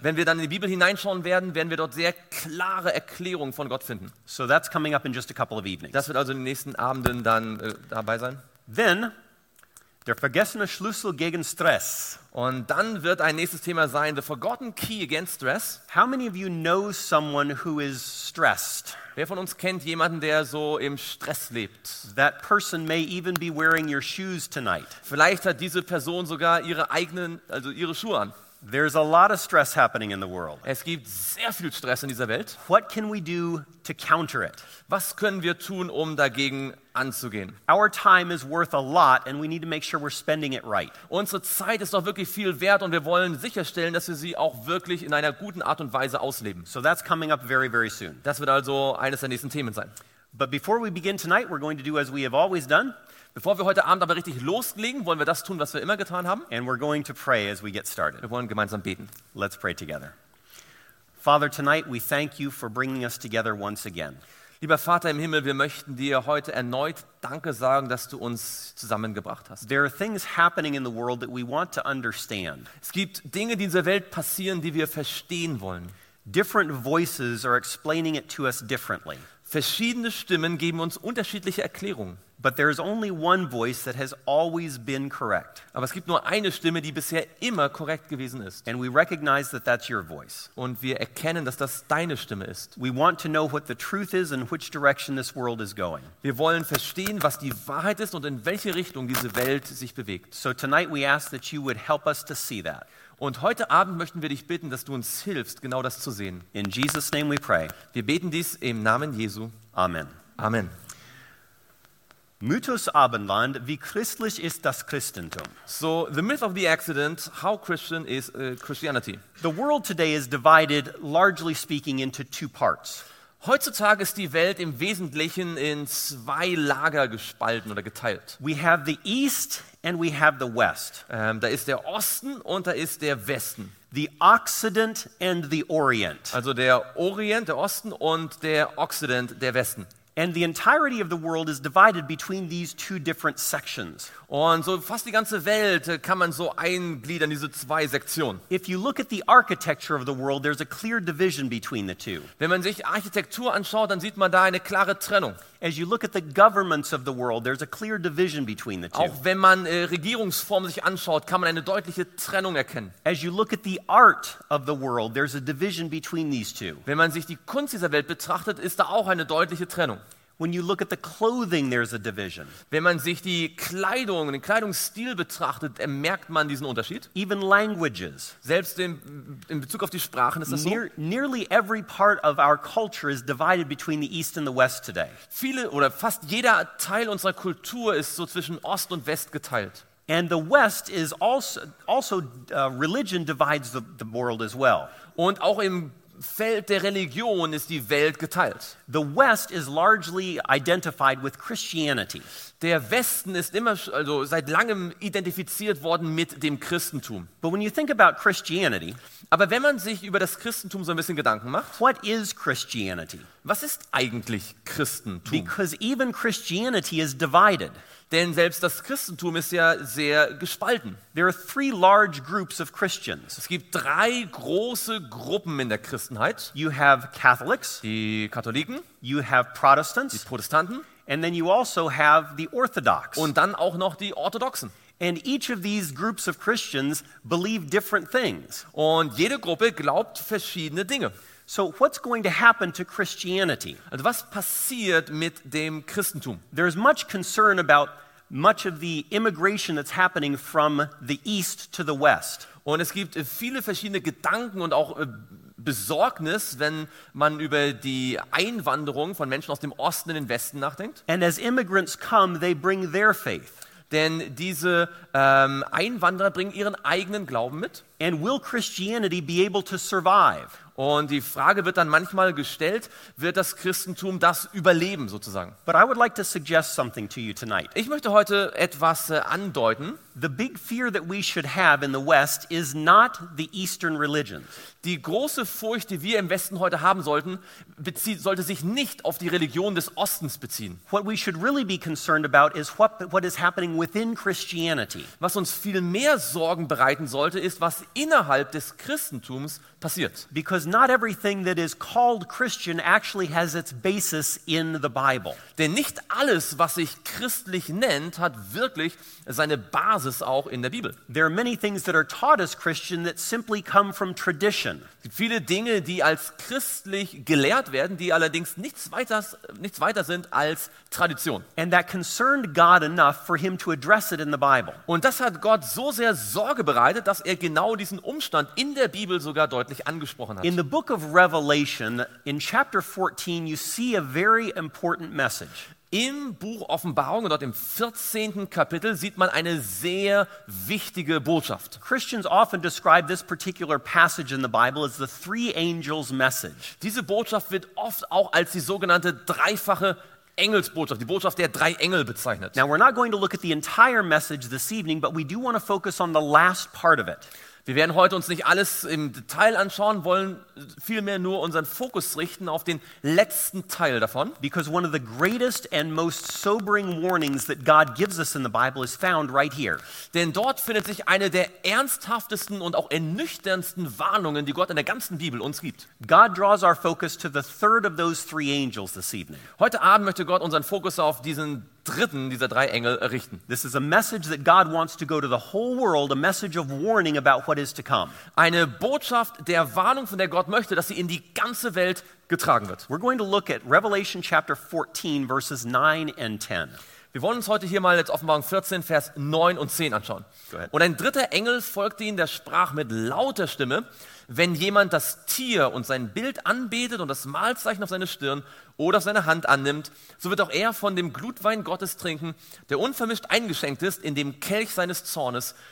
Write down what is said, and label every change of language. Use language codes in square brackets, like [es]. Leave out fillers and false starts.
[de] Wenn wir dann in die Bibel hineinschauen werden, werden wir dort sehr klare Erklärungen von Gott finden. [en] So that's coming up in just a couple of evenings. [de] Das wird also in den nächsten Abenden dann dabei sein. Then der vergessene Schlüssel gegen Stress. Und dann wird ein nächstes Thema sein, [en] the forgotten key against stress. How many of you know someone who is stressed? [de] Wer von uns kennt jemanden, der so im Stress lebt? [en] That person may even be wearing your shoes tonight. [de] Vielleicht hat diese Person sogar ihre Schuhe an. [en] There's a lot of stress happening in the world. [de] Es gibt sehr viel Stress in dieser Welt. [en] What can we do to counter it? [de] Was können wir tun, um dagegen anzugehen? [en] Our time is worth a lot and we need to make sure we're spending it right. [de] Unsere Zeit ist doch wirklich viel wert und wir wollen sicherstellen, dass wir sie auch wirklich in einer guten Art und Weise ausleben. [en] So that's coming up very, very soon. [de] Das wird also eines der nächsten Themen sein. [en] But before we begin tonight, we're going to do as we have always done. [de] Bevor wir heute Abend aber richtig loslegen, wollen wir das tun, was wir immer getan haben. [en] And we're going to pray as we get started. [de] Wir wollen gemeinsam beten. [en] Let's pray together. Father, tonight we thank you for bringing us together once again. [de] Lieber Vater im Himmel, wir möchten dir heute erneut Danke sagen, dass du uns zusammengebracht hast. [en] There are things happening in the world that we want to understand. [de] Es gibt Dinge, die in dieser Welt passieren, die wir verstehen wollen. [en] Different voices are explaining it to us differently. [de] Verschiedene Stimmen geben uns unterschiedliche Erklärungen. [en] But there is only one voice that has always been correct. [de] Aber es gibt nur eine Stimme, die bisher immer korrekt gewesen ist. [en] And we recognize that that's your voice. [de] Und wir erkennen, dass das deine Stimme ist. [en] We want to know what the truth is and which direction this world is going. [de] Wir wollen verstehen, was die Wahrheit ist und in welche Richtung diese Welt sich bewegt. [en] So tonight we ask that you would help us to see that. [de] Und heute Abend möchten wir dich bitten, dass du uns hilfst, genau das zu sehen. [en] In Jesus' name we pray. [de] Wir beten dies im Namen Jesu. [en] Amen. [de] Amen. Mythos Abendland, wie christlich ist das Christentum? [en] So, the myth of the accident, how Christian is Christianity? The world today is divided, largely speaking, into two parts. [de] Heutzutage ist die Welt im Wesentlichen in zwei Lager gespalten oder geteilt. [en] We have the East and we have the West. [de] Da ist der Osten und da ist der Westen. [en] The Occident and the Orient. [de] Also der Orient, der Osten und der Occident, der Westen. [en] And the entirety of the world is divided between these two different sections. [de] Und so fast die ganze Welt kann man so eingliedern, diese zwei Sektionen. [en] If you look at the architecture of the world, there's a clear division between the two. [de] Wenn man sich Architektur anschaut, dann sieht man da eine klare Trennung. [en] As you look at the governments of the world, there's a clear division between the two. [de] Auch wenn man Regierungsformen sich anschaut, kann man eine deutliche Trennung erkennen. [en] As you look at the art of the world, there's a division between these two. [de] Wenn man sich die Kunst dieser Welt betrachtet, ist da auch eine deutliche Trennung. [en] When you look at the clothing, there's a division. [de] Wenn man sich die Kleidung, den Kleidungsstil betrachtet, merkt man diesen Unterschied. [en] Even languages. [de] Selbst in Bezug auf die Sprachen ist das so. [en] Nearly every part of our culture is divided between the East and the West today. [de] Viele oder fast jeder Teil unserer Kultur ist so zwischen Ost und West geteilt. [en] And the West is also religion divides the world as well. [de] Und auch im Feld der Religion ist die Welt geteilt. [en] The West is largely identified with Christianity. [de] Der Westen ist immer, also seit langem identifiziert worden mit dem Christentum. [en] But when you think about Christianity, [de] aber wenn man sich über das Christentum so ein bisschen Gedanken macht, [en] what is Christianity? [de] Was ist eigentlich Christentum? [en] Because even Christianity is divided. [de] Denn selbst das Christentum ist ja sehr gespalten. [en] There are three large groups of Christians. [de] Es gibt drei große Gruppen in der Christenheit. [en] You have Catholics, [de] die Katholiken. [en] You have Protestants, [de] die Protestanten. [en] And then you also have the Orthodox. [de] Und dann auch noch die Orthodoxen. [en] And each of these groups of Christians believe different things. [de] Und jede Gruppe glaubt verschiedene Dinge. [en] So what's going to happen to Christianity? [de] Also was passiert mit dem Christentum? [en] There's much concern about much of the immigration that's happening from the East to the West. [de] Und es gibt viele verschiedene Gedanken und auch Besorgnis, wenn man über die Einwanderung von Menschen aus dem Osten in den Westen nachdenkt. [en] And as immigrants come, they bring their faith. [de] Denn diese Einwanderer bringen ihren eigenen Glauben mit. [en] And will Christianity be able to survive? [de] Und die Frage wird dann manchmal gestellt, wird das Christentum das überleben sozusagen? [en] But I would like to suggest something to you tonight. [de] Ich möchte heute etwas andeuten. [en] The big fear that we should have in the West is not the Eastern religions. [de] Die große Furcht, die wir im Westen heute haben sollten, sollte sich nicht auf die Religion des Ostens beziehen. [en] What we should really be concerned about is what is happening within Christianity. [de] Was uns viel mehr Sorgen bereiten sollte, ist, was innerhalb des Christentums passiert. [en] Because not everything that is called Christian actually has its basis in the Bible. [de] Denn nicht alles, was sich christlich nennt, hat wirklich seine Basis auch in der Bibel. [en] There are many things that are taught as Christian that simply come from tradition. [de] Es gibt viele Dinge, die als christlich gelehrt werden, die allerdings nichts weiter sind als Tradition. [en] And that concerned God enough for him to address it in the Bible. [de] Und das hat Gott so sehr Sorge bereitet, dass er genau diesen Umstand in der Bibel sogar deutlich angesprochen hat. [en] In the book of Revelation, in chapter 14, you see a very important message. [de] Im Buch Offenbarung, dort im 14. Kapitel, sieht man eine sehr wichtige Botschaft. [en] Christians often describe this particular passage in the Bible as the three angels' message. [de] Diese Botschaft wird oft auch als die sogenannte dreifache Engelsbotschaft, die Botschaft der drei Engel bezeichnet. [en] Now we're not going to look at the entire message this evening, but we do want to focus on the last part of it. [de] Wir werden heute uns nicht alles im Detail anschauen, wollen vielmehr nur unseren Fokus richten auf den letzten Teil davon. [en] Because one of the greatest and most sobering warnings that God gives us in the Bible is found right here. [de] Denn dort findet sich eine der ernsthaftesten und auch ernüchterndsten Warnungen, die Gott in der ganzen Bibel uns gibt. [en] God draws our focus to the third of those three angels this evening. [de] Heute Abend möchte Gott unseren Fokus auf diesen dritten dieser drei Engel richten. [en] This is a message that God wants to go to the whole world, a message of warning about what is to come. [de] Eine Botschaft der Warnung, von der Gott möchte, dass sie in die ganze Welt getragen wird. [en] We're going to look at Revelation chapter 14 verses 9 and 10. [de] Wir wollen uns heute hier mal jetzt Offenbarung 14 Vers 9 und 10 anschauen. [en] Go ahead. [de] Und ein dritter Engel folgte ihnen, der sprach mit lauter Stimme: Wenn jemand das Tier und sein Bild anbetet und das Malzeichen auf seine Stirn oder auf seine Hand annimmt, so wird auch er von dem Glutwein Gottes trinken, der unvermischt eingeschenkt ist in dem Kelch seines Zornes,